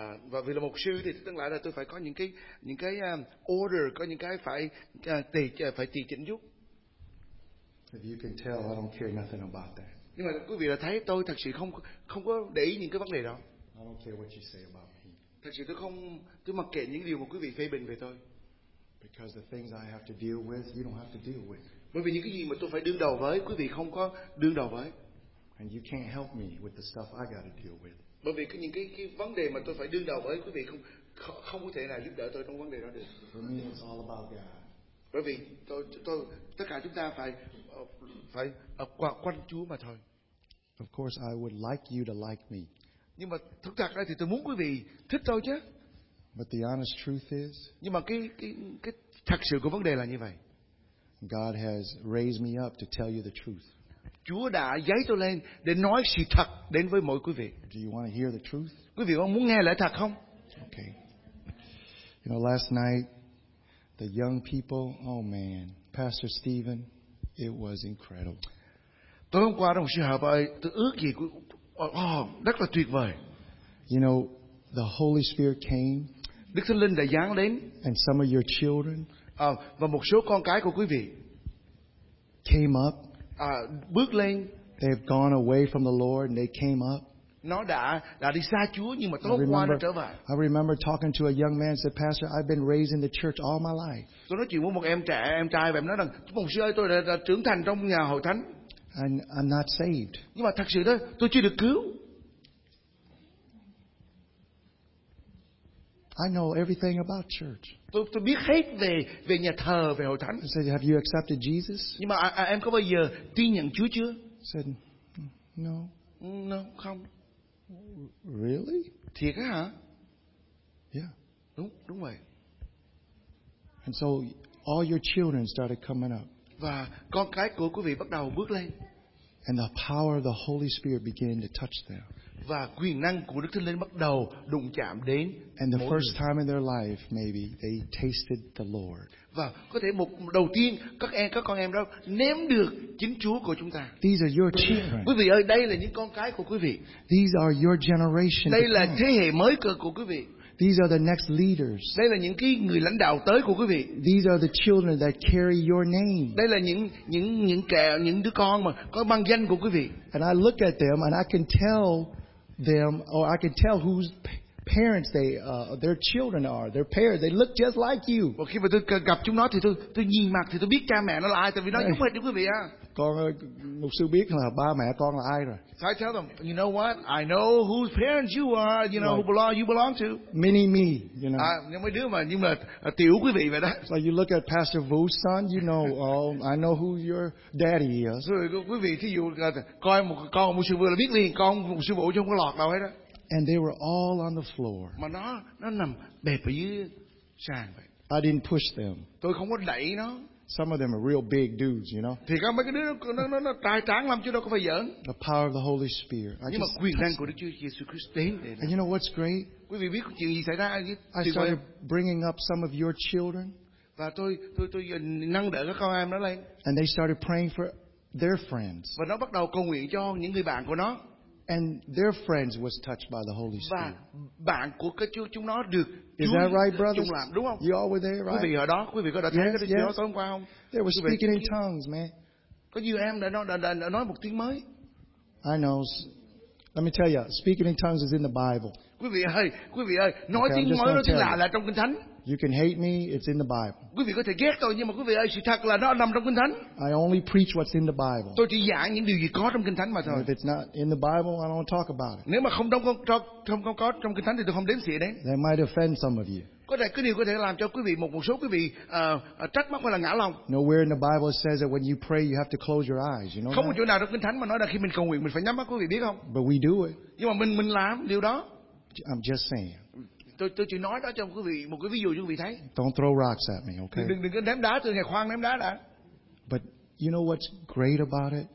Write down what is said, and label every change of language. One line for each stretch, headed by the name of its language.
Vietnamese: Và vì là một sư thì tương lai là tôi phải có những cái order, có những cái phải tùy chỉnh giúp.
English: If you can tell, I don't care nothing about that.
Vietnamese: Nhưng mà quý vị là thấy tôi thật sự không có để ý những cái vấn đề đó.
English: I don't care what you say about me.
Vietnamese: Thật sự tôi mặc kệ những điều mà quý vị phê bình về tôi.
English: Because the things I have to deal with, you don't have to deal with.
Vietnamese: Bởi vì những cái gì mà tôi phải đương đầu với, quý vị không có đương đầu với.
English: And you can't help me with the stuff I got to deal with.
Vietnamese: Bởi vì những cái vấn đề mà tôi phải đương đầu với, quý vị không có thể nào giúp đỡ tôi trong vấn đề đó được.
English: For me, it's all about God.
Vietnamese: Bởi vì tôi tất cả chúng ta phải quanh Chúa mà thôi.
English: Of course, I would like you to like me.
Vietnamese: Nhưng mà thực thật ra thì tôi muốn quý vị thích tôi chứ.
English: But the honest truth is,
Vietnamese: nhưng mà cái thật sự của vấn đề là như vậy.
English: God has raised me up to tell you the truth.
Vietnamese: Chúa đã dấy tôi lên để nói sự thật đến với mọi quý vị.
English: Do you want to hear the truth?
Vietnamese: Quý vị có muốn nghe lẽ thật không?
English: Okay. You know, last night, the young people, oh man, Pastor Stephen, it was incredible.
Vietnamese: Tối hôm qua trong sự họp ấy, tôi ước gì rất là tuyệt vời.
English: You know, the Holy Spirit came.
Vietnamese: Đức Thánh Linh đã giáng đến.
English: And some of your children.
Vietnamese: Và một số con cái của quý vị
English: came up.
Vietnamese: Bước lên.
English: They have gone away from the Lord and they came up.
Vietnamese: Nó đã đi xa Chúa nhưng mà tối qua nó trở về.
English: I remember talking to a young man, said, Pastor, I've been raising the church all my life.
Vietnamese: Tôi nói chuyện với một em trẻ, em trai, và em nói rằng, mục sư ơi, tôi đã trưởng thành trong nhà hội thánh.
English: And I'm not saved.
Vietnamese: Nhưng mà thật sự đó, tôi chưa được cứu.
English: I know everything about church.
Vietnamese: Tôi biết hết về nhà thờ, về hội thánh.
English: I said, have you accepted Jesus?
Vietnamese: Nhưng mà em có bao giờ tin nhận Chúa chưa?
English: I said, no. No,
Vietnamese: không.
English: Really?
Vietnamese: Thiệt hả?
English: Yeah.
Vietnamese: Đúng vậy.
English: And so all your children started coming up.
Vietnamese: Và con cái của quý vị bắt đầu bước lên.
English: And the power of the Holy Spirit began to touch them.
Vietnamese: Và quyền năng của Đức Thánh Linh bắt đầu đụng chạm đến.
English: And the first time in their life, maybe they tasted the Lord.
Vietnamese: Và có thể một đầu tiên các con em đó nếm được chính Chúa của chúng ta.
English: These are your children.
Vietnamese: Quý vị ơi, đây là những con cái của quý vị.
English: These are your generation.
Vietnamese: Đây là thế hệ mới của quý vị.
English: These are the next leaders.
Vietnamese: Đây là những cái người lãnh đạo tới của quý vị.
English: These are the children that carry your name.
Vietnamese: Đây là những đứa con mà có mang danh của quý vị.
English: And I look at them and I can tell them, or I can tell whose parents they, their children are, their parents. They look just like you.
Vietnamese: Và khi mà tôi gặp chúng nó thì tôi nhìn mặt thì tôi biết cha mẹ nó là ai, tại vì nó giống hệt như quý vị á. Con mục sư biết là ba mẹ con là ai rồi.
English: So I tell them, you know what? I know whose parents you are. You know who you belong to. Mini me, you know.
Vietnamese: Những mấy đứa mà nhưng mà tiểu quý vị vậy đó.
English: So you look at Pastor Vu's son, you know, I know who your daddy is.
Vietnamese: Rồi quý vị thí dụ coi một con mục sư Vu là biết liền con mục sư Vũ chứ không có lọt đâu hết đó.
English: And they were all on the floor.
Vietnamese: Mà nó nằm bẹp ở dưới sàn vậy.
English: I didn't push them.
Vietnamese: Tôi không có đẩy nó.
English: Some of them are real big dudes, you know.
Vietnamese: Thì các mấy cái đứa nó tài tráng lắm chứ đâu có phải giỡn.
English: The power of the Holy Spirit.
Vietnamese: I nhưng mà quyền năng của Đức Chúa Jesus Christ đến đây.
English: And you know what's great?
Vietnamese: Quý vị biết chuyện gì xảy ra?
English: I started bringing up some of your children.
Vietnamese: Và tôi nâng đỡ các con em nó lên.
English: And they started praying for their friends.
Vietnamese: Và nó bắt đầu cầu nguyện cho những người bạn của nó.
English: And their friends was touched by the Holy Spirit.
Vietnamese: Và bạn của cái chú chúng nó được.
English: Is that right, brothers?
Vietnamese: Làm, đúng không?
English: You all were there, right?
Vietnamese: Quý vị ở đó, quý vị có đã thấy cái điều đó tối hôm qua không?
English: They were speaking in tongues, man.
Vietnamese: Có nhiều em đã nói một tiếng mới.
English: I know. Let me tell you, speaking in tongues is in the Bible.
Vietnamese: Quý vị ơi, nói tiếng mới nó tiếng lạ là trong Kinh Thánh.
English: You can hate me, it's in the Bible.
Vietnamese: Quý vị có thể ghét tôi nhưng mà quý vị ơi, sự thật là nó nằm trong Kinh Thánh.
English: I only preach what's in the Bible.
Vietnamese: Tôi chỉ giảng những điều gì có trong Kinh Thánh mà thôi.
English: And if it's not in the Bible, I don't talk about it.
Vietnamese: Nếu mà không có trong Kinh Thánh thì tôi không đếm xỉa đến.
English: That might offend some of you.
Vietnamese: Có thể cái điều có thể làm cho quý vị một số quý vị trách móc hay là ngã lòng.
English: Nowhere in the Bible says that when you pray you have to close your eyes, you know.
Vietnamese: Không một chỗ nào trong Kinh Thánh mà nói là khi mình cầu nguyện mình phải nhắm mắt, quý vị biết không?
English: But we do it.
Vietnamese: Nhưng mà mình làm điều đó.
English: I'm just saying.
Vietnamese: Tôi chỉ nói đó cho quý vị một cái ví dụ cho quý vị thấy.
English: Don't throw rocks at me, okay?
Vietnamese: Đừng có ném đá, tôi nghe khoan ném đá đã.
English: But you know what's great about it?